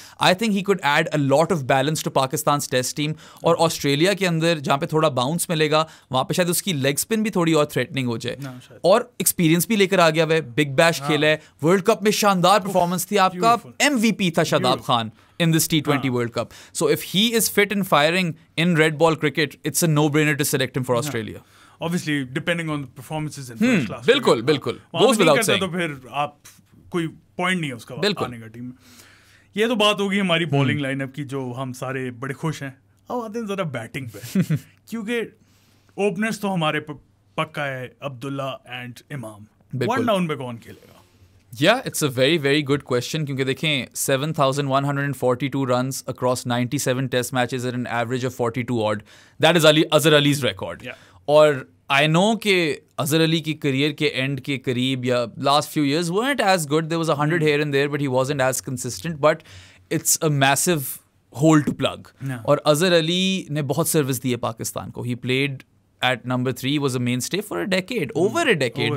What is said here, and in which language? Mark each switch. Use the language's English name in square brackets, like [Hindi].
[English] I think he could add a lot of balance to Pakistan's test team. [Urdu] اور Australia کے اندر جہاں پہ تھوڑا باؤنس ملے گا وہاں پہ شاید اس کی لیگ اسپن بھی تھوڑی اور تھریٹننگ ہو جائے. اور ایکسپیرینس بھی لے کر آ گیا ہے, بگ بیش کھیلا ہے, ورلڈ کپ میں شاندار پرفارمنس تھی آپ کا, ایم وی پی تھا Shadab Khan [English] in this T20 World Cup. So if he is fit and firing in red ball cricket, it's a no-brainer to select him for Australia. Obviously, depending on the performances in first class. [Urdu] Bilkul, bilkul. [English] Goes without saying. [Urdu] تو پھر آپ کوئی point نہیں ہے اس کا آنے کا team میں. یہ تو بات ہوگی ہماری بالنگ لائن اپ کی جو ہم سارے بڑے خوش ہیں. اب آتے ہیں ذرا بیٹنگ پہ, کیونکہ اوپنرس تو ہمارے پکا ہے عبداللہ اینڈ امام. ون ڈاؤن پہ کون کھیلے گا؟ [English] Yeah, it's a very, very good question. Because, look, 7,142 runs across 97 test matches at an average of 42-odd. That is Azhar Ali's record. And yeah. I know that Azhar Ali's career [Urdu] ke end ke kareeb, [English] ya last few years weren't as good. There was 100 here and there, but he wasn't as consistent. But it's a massive hole to plug. Yeah. [Urdu] اور Azhar Ali نے بہت service دی ہے پاکستان کو. [English] He played at number 3, was a mainstay for a decade, over a decade.